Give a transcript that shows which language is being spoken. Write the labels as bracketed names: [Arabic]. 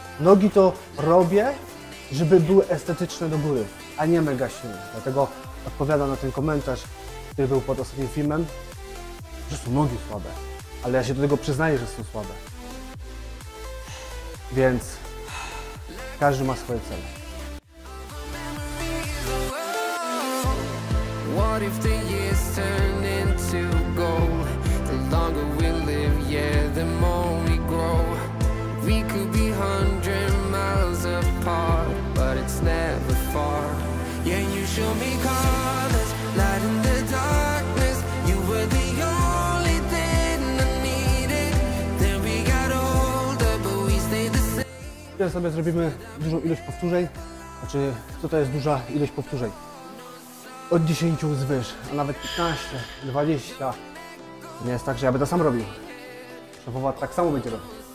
[Polish] Nogi to robię, żeby były estetyczne do góry, a nie mega silne. Dlatego odpowiadam na ten komentarz, który był pod ostatnim filmem, że są nogi słabe. Ale ja się do tego przyznaję, że są słabe. Więc każdy ma swoje cele. [English] What if the years turn into gold? The longer we live, yeah, the more we grow. We could be 100 miles apart, but it's never far. Yeah, you show me colors, light in the darkness. You were the only thing I needed. Then we got older, but we stayed the same. [Polish] Teraz sobie zrobimy dużą ilość powtórzeń. Znaczy, co to jest duża ilość powtórzeń? Od 10 zwyż, a nawet 15, 20. Nie jest tak, że ja będę sam robił. Szefowa tak samo będzie robił.